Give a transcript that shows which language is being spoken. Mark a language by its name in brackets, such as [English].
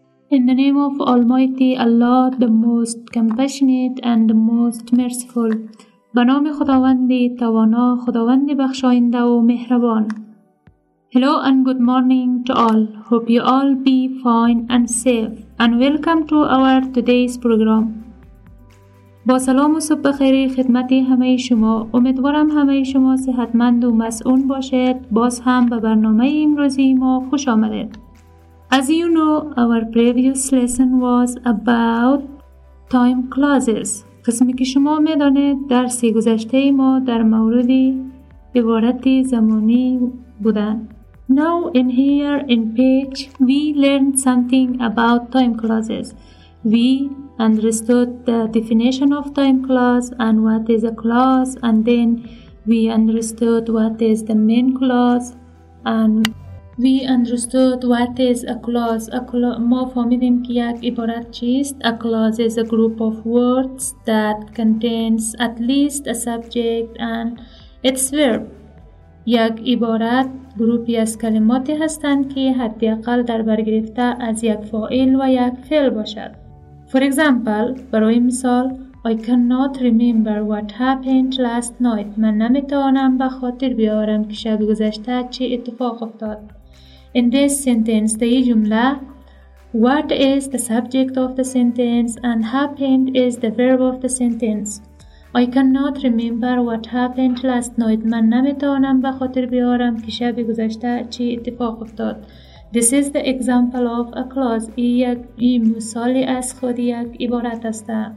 [English] In the name of Almighty Allah, the most compassionate and the most merciful. [Persian] به نام خداوندی توانا، خداوندی بخشاینده و مهربان. [English] Hello and good morning to all. Hope you all be fine and safe. And welcome to our today's program. [Persian] با سلام و صبح بخیر خدمت همه شما. امیدوارم همه شما صحتمند و مسئول باشید. باز هم به برنامه امروزی ما خوش آمدید. [English] As you know, our previous lesson was about time clauses. [Persian] قسمی که شما می دانید درس گذشته ما در مورد عبارت زمانی بودن. [English] Now in here in page we learned something about time clauses. We understood the definition of time clause and what is a clause, and then we understood what is the main clause and we understood what is a clause. [Persian] ما فهمیدیم که یک عبارت چیست. [English] A clause is a group of words that contains at least a subject and its verb. [Persian] یک عبارت گروپی از کلماتی هستند که حداقل در بر گرفته از یک فاعل و یک فعل باشد. [English] For example, [Persian] برای مثال, [English] I cannot remember what happened last night. [Persian] من نمیتوانم به خاطر بیارم که شب گذشته چه اتفاق افتاد. [English] In this sentence, the جمله what is the subject of the sentence and happened is the verb of the sentence. I cannot remember what happened last night. [Persian] من نمیتوانم به خاطر بیارم که شب گذشته چی اتفاق افتاد. [English] This is the example of a clause. [Persian] این مثالی از خود یک عبارت است.